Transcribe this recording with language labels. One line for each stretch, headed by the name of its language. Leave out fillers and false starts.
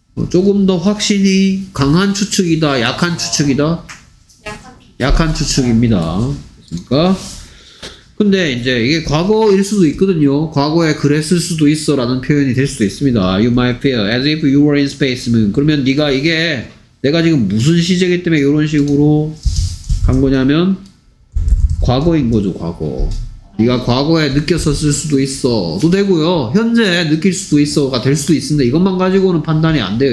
Korean: 조금 더 확신이 강한 추측이다, 약한 추측이다? 약한 추측입니다. 그렇습니까? 근데 이제 이게 과거일 수도 있거든요. 과거에 그랬을 수도 있어 라는 표현이 될 수도 있습니다.
English: You might feel as if you were in space.
Korean: 그러면 네가 이게 내가 지금 무슨 시제기 때문에 이런 식으로 간 거냐면 과거인 거죠. 과거. 네가 과거에 느꼈었을 수도 있어 도 되고요. 현재 느낄 수도 있어 가 될 수도 있습니다. 이것만 가지고는 판단이 안 돼요.